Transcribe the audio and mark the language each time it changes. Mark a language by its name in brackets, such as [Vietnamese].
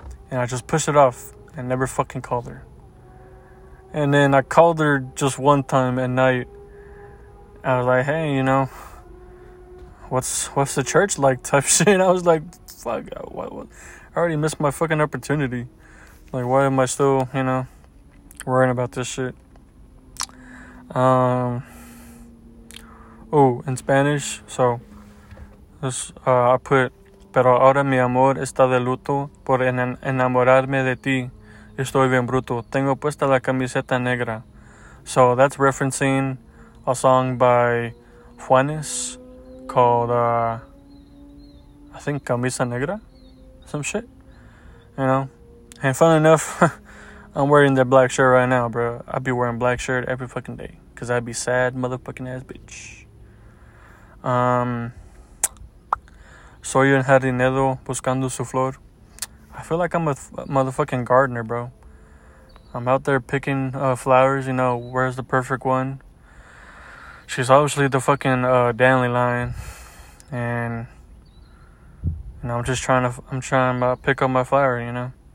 [English] And I just push it off and never fucking called her. And then I called her just one time at night. I was like, hey, you know, what's the church like type shit? And I was like, fuck, what? I already missed my fucking opportunity. Like, why am I still, you know, worrying about this shit? Oh, in Spanish, so I put, [Spanish] pero ahora mi amor está de luto por enamorarme de ti. Estoy bien bruto. Tengo puesta la camiseta negra. [English] So that's referencing a song by Juanes called, I think, Camisa Negra? Some shit? You know? And fun enough, I'm wearing the black shirt right now, bro. I'd be wearing black shirt every fucking day. Because I'd be sad motherfucking ass bitch. [Spanish] Soy un jardinero buscando su flor. [English] I feel like I'm a motherfucking gardener, bro. I'm out there picking flowers, you know, where's the perfect one? She's obviously the fucking dandelion. And I'm just trying to pick up my flower, you know.